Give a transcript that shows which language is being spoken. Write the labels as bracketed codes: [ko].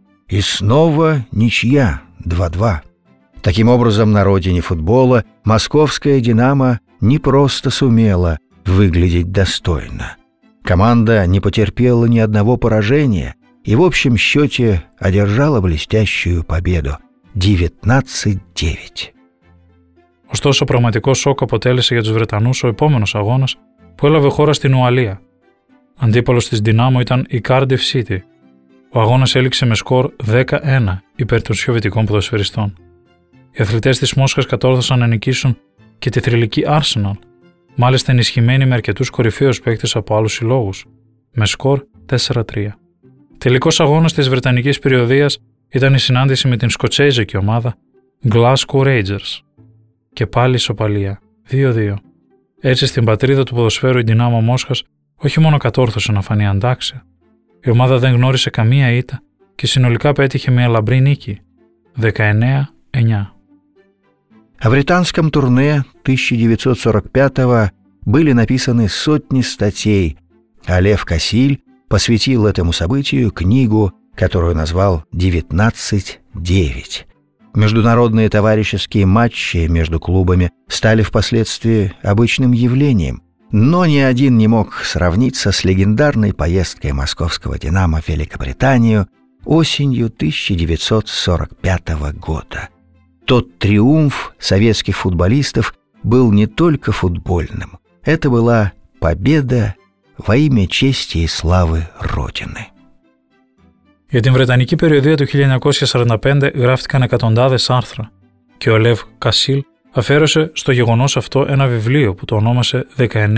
[ru] И снова ничья 2-2. Таким образом, на родине футбола московская «Динамо» не просто сумела выглядеть достойно. Команда не потерпела ни одного поражения и в общем счете одержала блестящую победу 19-9. [el] Ωστόσο, πραγματικό σοκ αποτέλεσε για τους Βρετανούς ο επόμενος αγώνας που έλαβε χώρα στην Ουαλία. Αντίπαλος της Δυνάμω ήταν η Cardiff City. Ο αγώνας έληξε με σκορ 10-1 υπέρ των σιωβητικών ποδοσφαιριστών. Οι αθλητές της Μόσχας κατόρθωσαν να νικήσουν και τη θρυλική Arsenal, μάλιστα ενισχυμένοι με αρκετούς κορυφαίους παίκτες από άλλους συλλόγους, με σκορ 4-3. Τελικός αγώνας της Βρετανικής περιοδίας ήταν η συνάντηση με την σκοτσέζικη ομάδα Glasgow Rangers. Και πάλι ισοπαλία, 2-2. Έτσι στην πατρίδα του ποδοσφαίρου η Δυνάμω Μόσχας όχι μόνο κατόρθωσε να φανεί αντάξια, η ομάδα δεν γνώρισε καμία ήττα και συνολικά πέτυχε μια λαμπρή νίκη, 19-9. [ru] Ο Βρετανском турне 1945-го были написаны сотни статей, а Лев Касиль посвятил этому событию книгу, которую назвал «19-9». Международные товарищеские матчи между клубами стали впоследствии обычным явлением, но ни один не мог сравниться с легендарной поездкой московского «Динамо» в Великобританию осенью 1945 года. Тот триумф советских футболистов был не только футбольным, это была победа во имя чести и славы Родины. [el] Για την Βρετανική περιοδία του 1945 γράφτηκαν εκατοντάδες άρθρα και ο Λεύ Κασίλ αφαίρεσε στο γεγονός αυτό ένα βιβλίο που το ονόμασε 19-9.